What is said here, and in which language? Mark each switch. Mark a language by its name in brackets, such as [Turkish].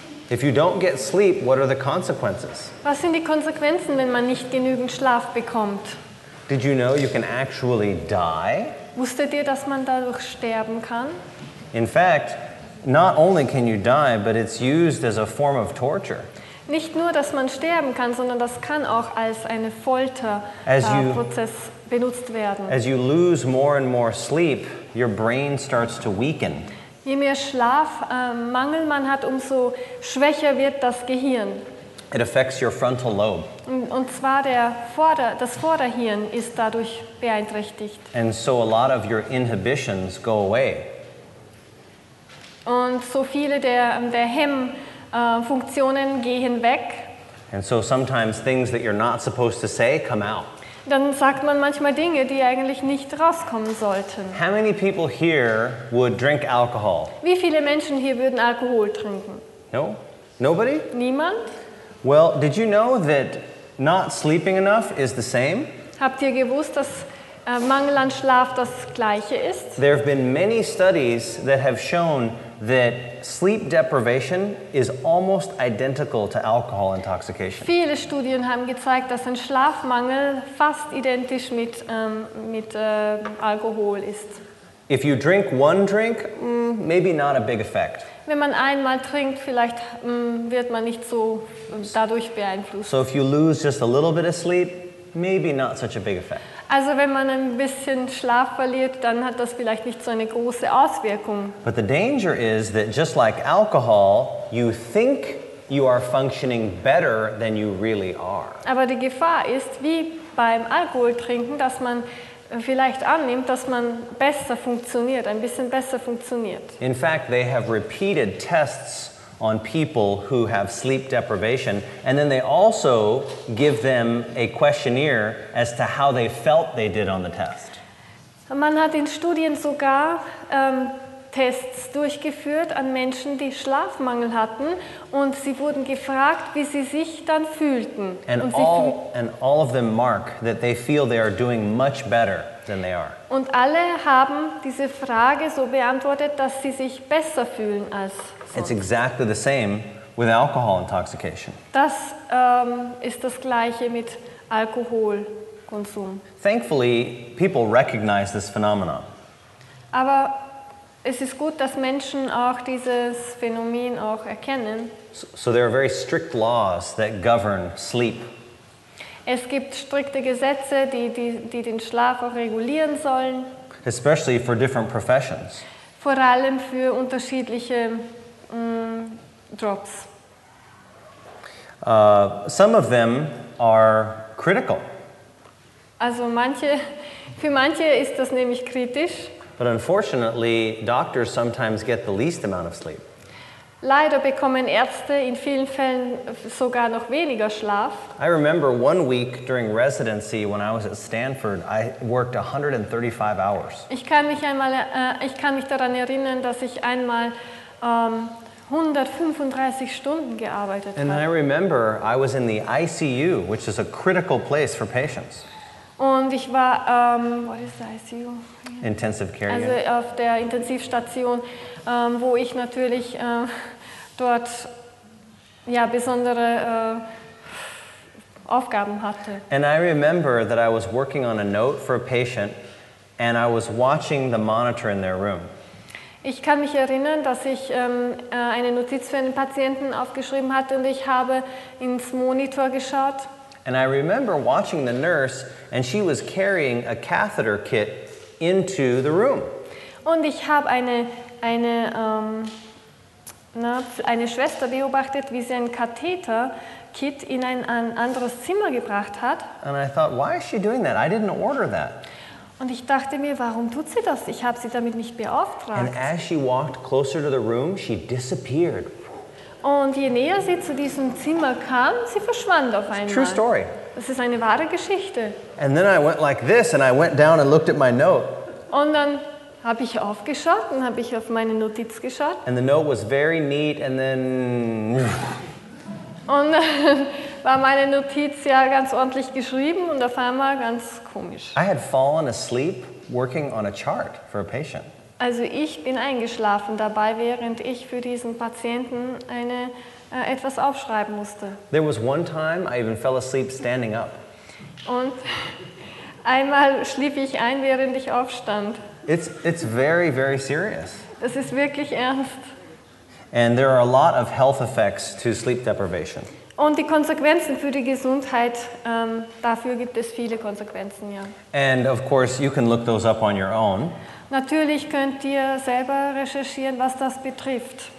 [English] If you don't get sleep, what are the consequences? [German] Was sind die Konsequenzen, wenn man nicht genügend Schlaf bekommt? [English] Did you know you can actually die? [German] Wusstet ihr, dass man dadurch sterben kann? [English] In fact, not only can you die, but it's used as a form of torture. [German] Nicht nur, dass man sterben kann, sondern das kann auch als eine Folterprozess benutzt werden. [English] As you lose more and more sleep, your brain starts to weaken. [German] Je mehr Schlafmangel man hat, umso schwächer wird das Gehirn. [English] It affects your frontal lobe. [German] Und zwar das Vorderhirn ist dadurch beeinträchtigt. [English] And so a lot of your inhibitions go away. [German] Und so viele der Hemmfunktionen gehen weg. [English] And so sometimes things that you're not supposed to say come out. [German] Dann sagt man manchmal Dinge, die eigentlich nicht rauskommen sollten. [English] How many people here would drink alcohol? [German] Wie viele Menschen hier würden Alkohol trinken? [English] No? Nobody? [German] Niemand? [English] Well, did you know that not sleeping enough is the same? [German] Habt ihr gewusst, dass Mangel an Schlaf das gleiche ist? [English] There have been many studies that have shown that sleep deprivation is almost identical to alcohol intoxication. [German] Viele Studien haben gezeigt, dass ein Schlafmangel fast identisch mit Alkohol ist. [English] If you drink one drink, maybe not a big effect. [German] Wenn man einmal trinkt, vielleicht wird man nicht so dadurch beeinflusst. [English] So if you lose just a little bit of sleep, maybe not such a big effect. [German] Also wenn man ein bisschen Schlaf verliert, dann hat das vielleicht nicht so eine große Auswirkung. [English] But the danger is that just like alcohol, you think you are functioning better than you really are. [German] Aber die Gefahr ist, wie beim Alkoholtrinken, dass man vielleicht annimmt, dass man besser funktioniert, ein bisschen besser funktioniert. [English] In fact, they have repeated tests on people who have sleep deprivation, and then they also give them a questionnaire as to how they felt they did on the test. [German] Man hat in Studien sogar Tests durchgeführt an Menschen, die Schlafmangel hatten, und sie wurden gefragt, wie sie sich dann fühlten. [English] And all of them mark that they feel they are doing much better than they are. [German] Und alle haben diese Frage so beantwortet, dass sie sich besser fühlen als sonst. [English] It's exactly the same with alcohol intoxication. [German] Das ist das Gleiche mit Alkoholkonsum. [English] Thankfully, people recognize this phenomenon. [German] Aber es ist gut, dass Menschen auch dieses Phänomen auch erkennen. [English] So there are very strict laws that govern sleep. [German] Es gibt strikte Gesetze, die den Schlaf auch regulieren sollen. [English] Especially for different professions. [German] Vor allem für unterschiedliche Jobs. [English] Some of them are critical. [German] Also für manche ist das nämlich kritisch. [English] But unfortunately, doctors sometimes get the least amount of sleep. [German] Leider bekommen Ärzte in vielen Fällen sogar noch weniger Schlaf. [English] I remember one week during residency when I was at Stanford, I worked 135 hours. [German] Ich kann mich daran erinnern, dass ich einmal 135 Stunden gearbeitet habe. [English] And I remember I was in the ICU, which is a critical place for patients. [German] Und ich war, [English] what is the ICU? Intensive care. [German] Also auf der Intensivstation, wo ich natürlich dort ja besondere Aufgaben hatte. [English] And I remember that I was working on a note for a patient, and I was watching the monitor in their room. [German] Ich kann mich erinnern, dass ich eine Notiz für einen Patienten aufgeschrieben hatte und ich habe ins Monitor geschaut. [English] And I remember watching the nurse, and she was carrying a catheter kit into the room. [German] Und ich habe eine Schwester beobachtet, wie sie ein Katheter-Kit in ein anderes Zimmer gebracht hat. [English] And I thought, why is she doing that? I didn't order that. [German] Und ich dachte mir, warum tut sie das? Ich habe sie damit nicht beauftragt. [English] And as she walked closer to the room, she disappeared. [German] Und je näher sie zu diesem Zimmer kam, sie verschwand auf einmal. [English] True story. [German] Das ist eine wahre Geschichte. [English] And then I went like this and I went down and looked at my note. [German] Und dann habe ich aufgeschaut und habe ich auf meine Notiz geschaut. [English] And the note was very neat and then [German] und war meine Notiz ja ganz ordentlich geschrieben und auf einmal ganz komisch. [English] I had fallen asleep working on a chart for a patient. [German] Also ich bin eingeschlafen dabei, während ich für diesen Patienten etwas aufschreiben musste. [English] There was one time I even fell asleep standing up. [German] Und einmal schlief ich ein, während ich aufstand. [English] It's very, very serious. [German] Das ist wirklich ernst. [English] And there are a lot of health effects to sleep deprivation. [German] Und die Konsequenzen für die Gesundheit, dafür gibt es viele Konsequenzen, ja. [English] And of course, you can look those up on your own. [German] Natürlich könnt ihr selber recherchieren, was das betrifft.